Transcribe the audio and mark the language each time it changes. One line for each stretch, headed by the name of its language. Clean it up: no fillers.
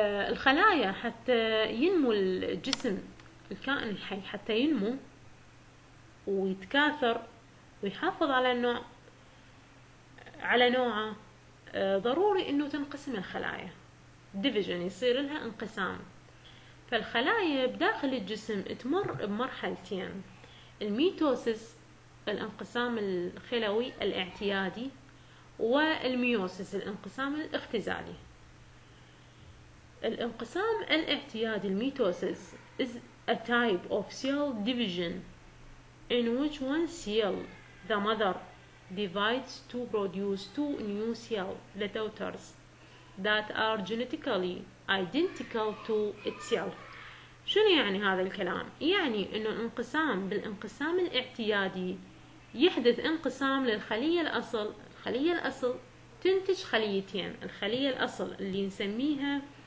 Arabic: الخلايا حتى ينمو الجسم، الكائن الحي حتى ينمو ويتكاثر ويحافظ على النوع، على نوعه، ضروري انه تنقسم الخلايا، ديفيجن يصير لها انقسام. فالخلايا بداخل الجسم تمر بمرحلتين، الميتوسيس الانقسام الخلوي الاعتيادي، والميوسيس الانقسام الاختزالي. الانقسام الاعتيادي الميتوسيس
English: is a type of cell division in which one cell the mother divides to produce two new cells the daughters that are genetically identical to itself.
Arabic: شنو يعني هذا الكلام؟ يعني انه الانقسام بالانقسام الاعتيادي يحدث انقسام للخلية الأصل، الخلية الأصل تنتج خليتين، الخلية الأصل اللي نسميها